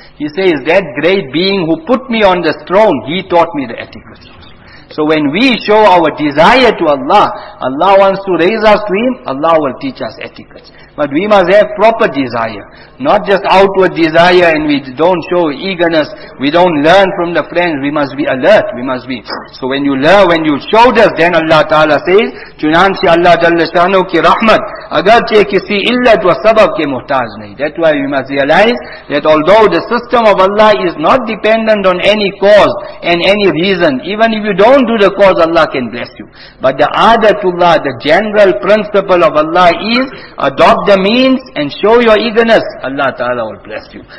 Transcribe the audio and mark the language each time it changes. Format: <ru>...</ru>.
<en>He says, that great being who put me on the throne, he taught me the etiquette. So when we show our desire to Allah, Allah wants to raise us to him, Allah will teach us etiquette. But we must have proper desire, not just outward desire, and we don't show eagerness, we don't learn from the friends, we must be alert, we must be. So when you learn, when you show this, then Allah Ta'ala says,</en> <ur>چنانچہ اللہ جل شانہ کی رحمت اگرچہ کسی علت و سبب کے محتاج نہیں.</ur> <en>That's why we must realize that although the system of Allah is not dependent on any cause and any reason, even if you don't do the cause, Allah can bless you. But the adatullah, the general principle of Allah is, adopt the means and show your eagerness, Allah Ta'ala will bless you.</en>